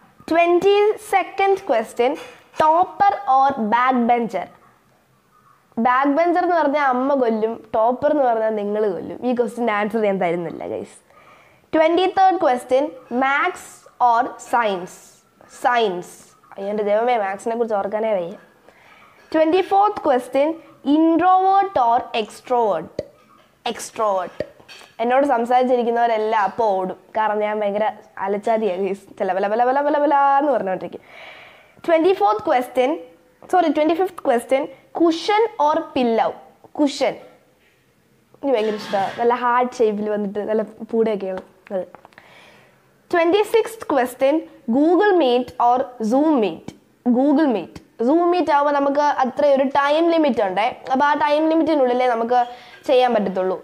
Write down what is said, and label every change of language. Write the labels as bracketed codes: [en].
[en] 22nd question, topper or back bencher? [ml] Back bencher എന്ന് പറഞ്ഞാൽ അമ്മ കൊല്ലും, ടോപ്പർ എന്ന് പറഞ്ഞാൽ നിങ്ങൾ കൊല്ലും. ഈ ക്വസ്റ്റ്യൻ ആൻസർ ചെയ്യാൻ തരുന്നില്ല guys. [en] 23rd question, maths or science? Science. [ml] എൻ്റെ ദൈവമേ, മാത്സിനെ കുറിച്ച് ഓർക്കാനേ വയ്യ. [en] 24th question, introvert or extrovert? Extrovert. [ml] എന്നോട് സംസാരിച്ചിരിക്കുന്നവരെല്ലാം അപ്പോൾ ഓടും, കാരണം ഞാൻ ഭയങ്കര അലച്ചാതിയാണ്, ചില പല പല പല പല പല എന്ന് പറഞ്ഞുകൊണ്ടിരിക്കും. [en] 24th question, sorry 25th question, cushion or pillow? Cushion. [ml] എനിക്ക് ഭയങ്കര ഇഷ്ടമാണ്, നല്ല ഹാർട്ട് ഷേപ്പിൽ വന്നിട്ട് നല്ല പൂടെയൊക്കെയാണ്. [en] 26th question, Google Meet or Zoom Meet? Google Meet. [ml] Zoom meet ആകുമ്പോൾ നമുക്ക് അത്രയും ഒരു ടൈം ലിമിറ്റ് ഉണ്ടേ, അപ്പോൾ ആ ടൈം ലിമിറ്റിനുള്ളിലേ നമുക്ക് ചെയ്യാൻ പറ്റത്തുള്ളൂ.